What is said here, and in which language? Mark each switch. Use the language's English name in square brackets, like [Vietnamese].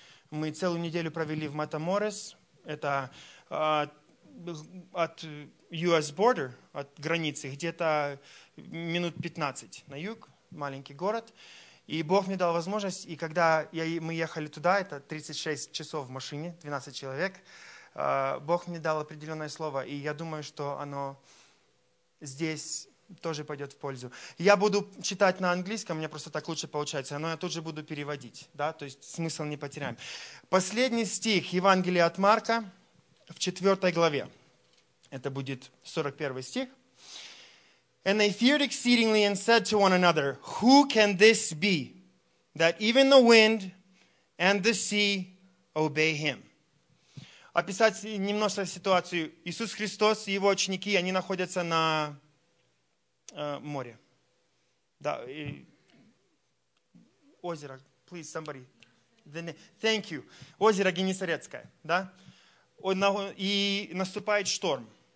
[Russian] Мы целую неделю провели в Матаморес, это от US border, от границы, где-то минут 15 на юг, маленький город, и Бог мне дал возможность, и когда мы ехали туда, это 36 часов в машине, 12 человек, Бог мне дал определенное слово, и я думаю, что оно здесь тоже пойдет в пользу. Я буду читать на английском, мне просто так лучше получается, но я тут же буду переводить, да, то есть смысл не потеряем. Последний стих Евангелия от Марка в 4 главе. Это будет 41 стих. [English] And they feared exceedingly and said to one another, who can this be, that even the wind and the sea obey him? [Russian] Описать немножко ситуацию. Иисус Христос и Его ученики, они находятся на море. Да, и озеро. Please, somebody. Thank you. Озеро Генесарецкое. Да? И наступает шторм.